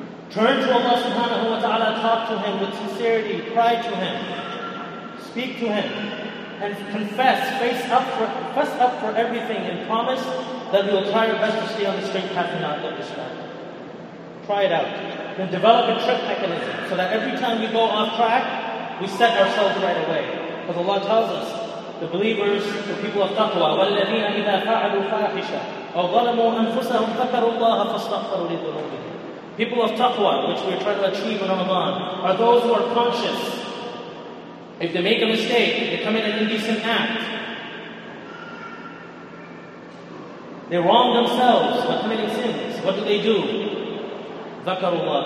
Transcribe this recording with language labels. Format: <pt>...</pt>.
<en>Turn to Allah subhanahu wa ta'ala, talk to Him with sincerity, cry to Him, speak to Him, and confess, face up for everything, and promise that you will try your best to stay on the straight path and not let this go. Try it out. Then develop a trip mechanism so that every time we go off track, we set ourselves right away. Because Allah tells us, the believers, the people of taqwa,</en> <ar>وَالَّذِينَ إِذَا فَعَلُوا فَاحِشَةً أَوْ ظَلَمُوا أَنفُسَهُمْ ذَكَرُوا اللَّهَ فَاسْتَغْفَرُوا لِذُنُوبِهِمْ.</ar> <en>People of taqwa, which we're trying to achieve in Ramadan, are those who are conscious. If they make a mistake, they commit an indecent act. They wrong themselves by committing sins. What do?</en> <ar>ذَكَرُوا.</ar>